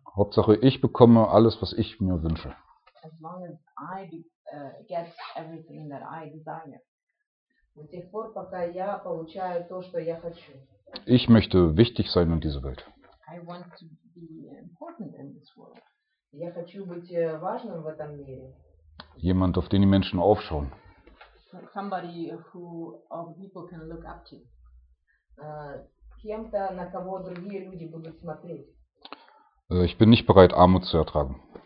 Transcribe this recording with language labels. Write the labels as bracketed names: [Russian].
[German] Hauptsache ich bekomme alles, was ich mir wünsche. [English] As long as I get everything that I desire. [Russian] До тех пор, пока я получаю то, что я хочу. [German] Ich möchte wichtig sein in dieser Welt. [English] I want to be important in this world. [Russian] Я хочу быть важным в этом мире. [German] Jemand, auf den die Menschen aufschauen. [English] Somebody who all the people can look up to. [Russian] Кем-то, на кого другие люди будут смотреть. [German] Ich bin nicht bereit, Armut zu ertragen.